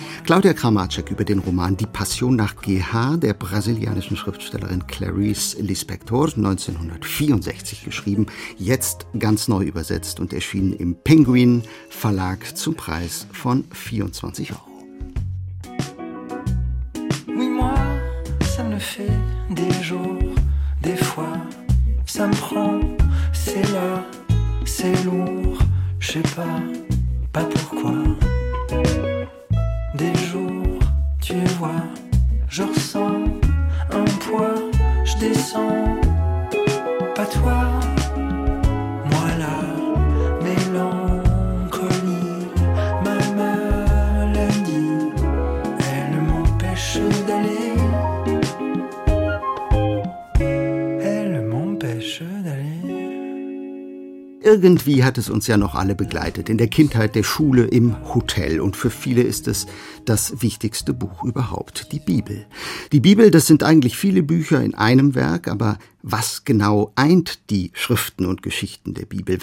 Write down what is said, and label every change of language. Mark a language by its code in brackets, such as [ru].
[de] Claudia Kramatschek über den Roman Die Passion nach GH der brasilianischen Schriftstellerin Clarice Lispector, 1964 geschrieben, jetzt ganz neu übersetzt und erschienen im Penguin Verlag zum Preis von 24 Euro. [fr] Oui, moi, ça me fait des jours, des fois, ça me prend, c'est là, c'est lourd, je sais pas, pas pourquoi. Des jours, tu vois, je ressens un poids, je descends, pas toi, moi la mélancolie, ma maladie, elle m'empêche d'aller, elle m'empêche d'aller. [de] Irgendwie hat es uns ja noch alle begleitet, in der Kindheit, der Schule, im Hotel, und für viele ist es das wichtigste Buch überhaupt, die Bibel. Die Bibel, das sind eigentlich viele Bücher in einem Werk, aber was genau eint die Schriften und Geschichten der Bibel?